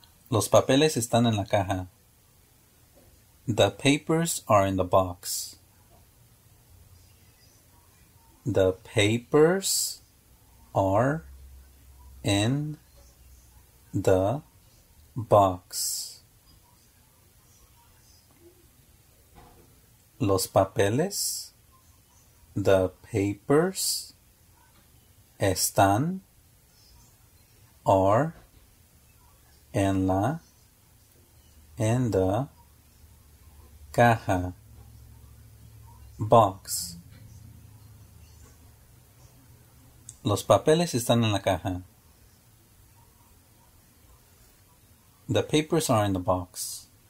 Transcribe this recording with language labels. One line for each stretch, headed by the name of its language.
Spanish: Los papeles están en la caja.
English: The papers are in the box. The papers are in the box.
Spanish: Los papeles,
English: the papers,
Spanish: están,
English: are,
Spanish: en la,
English: in the,
Spanish: caja,
English: box.
Spanish: Los papeles están en la caja.
English: The papers are in the box.